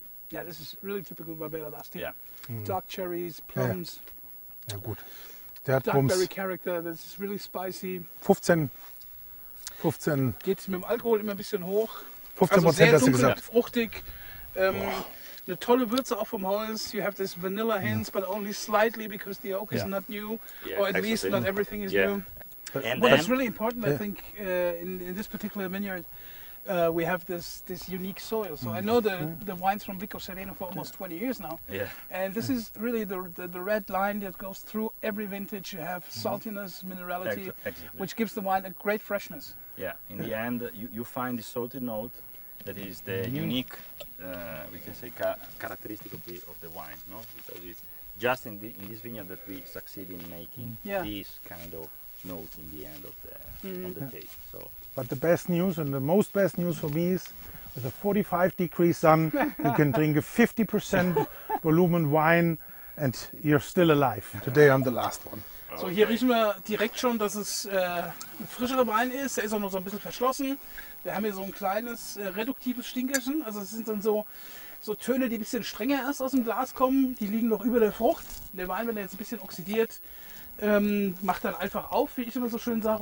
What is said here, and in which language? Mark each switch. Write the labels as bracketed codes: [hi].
[en] Ja, das ist really typical Barbera Dusty. Dark cherries, plums. [de] Ja, ja. Ja gut. Der hat Blackberry Character, das ist really spicy. 15. Geht mit dem Alkohol immer ein bisschen hoch. 15% also sehr dunkel, hast du fruchtig. Eine tolle Würze auch vom Holz. [en] You have this vanilla hints, but only slightly because the oak is not new. Yeah, or at least not everything is new. But that's really important, I think, in this particular vineyard. We have this unique soil. So I know the wines from Vico Sereno for almost 20 years now. Yeah. And this is really the red line that goes through every vintage. You have saltiness, minerality, which gives the wine a great freshness. Yeah, in the end, you find the salty note that is the unique, we can say, characteristic of the wine, no? Because it's just in this vineyard that we succeed in making this kind of note in the end of the, on the taste. So. But the best news and the most best news for me is with a 45 degree sun, you can drink a 50% volumen wine and you're still alive. Today I'm the last one. Okay. [de] So hier riechen wir direkt schon, dass es ein frischerer Wein ist. Der ist auch noch so ein bisschen verschlossen. Wir haben hier so ein kleines reduktives Stinkerchen. Also es sind dann so Töne, die ein bisschen strenger erst aus dem Glas kommen. Die liegen noch über der Frucht. Der Wein, wenn er jetzt ein bisschen oxidiert, macht dann einfach auf, wie ich immer so schön sage.